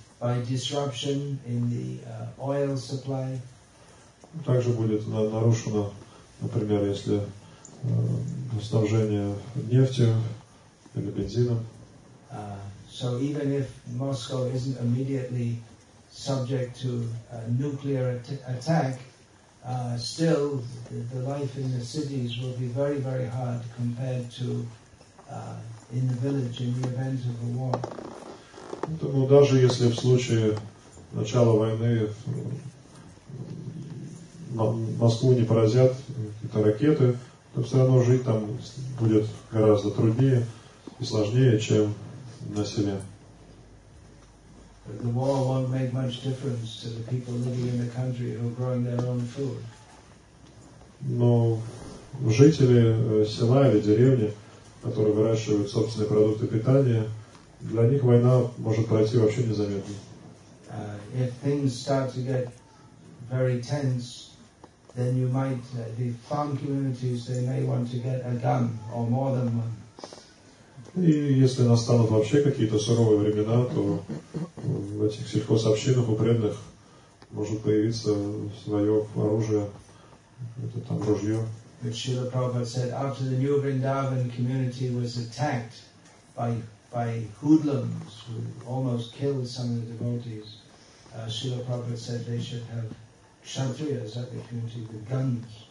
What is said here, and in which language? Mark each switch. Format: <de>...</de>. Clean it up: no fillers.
<en>By disruption in the oil supply.</en> <ru>Также будет нарушено, например, если снабжение нефтью или бензином.</ru> <en>So even if Moscow isn't immediately subject to a nuclear attack, still the life in the cities will be very, very hard compared to in the village in the event of a war.</en> <ru>Поэтому даже если в случае начала войны Москву не поразят какие-то ракеты, то все равно жить там будет гораздо труднее и сложнее, чем на селе.</ru> <en>But the war won't make much difference to the people living in the country who are growing their own food.</en> <ru>Но жители села или деревни, которые выращивают собственные продукты питания, для них война может пройти вообще незаметно.</ru> <en>If things start to get very tense, then you might the farm communities they may want to get a gun or more than one.</en> <ru>И если настанут вообще какие-то суровые времена, то в этих сельхозобщинах упрямных может появиться свое оружие, это там ружье.</ru> <en>But Srila Prabhupada said after the New Vrindavan community was attacked by hoodlums who almost killed some of the devotees, Srila Prabhupada said they should have kshatriyas at the community with guns.</en>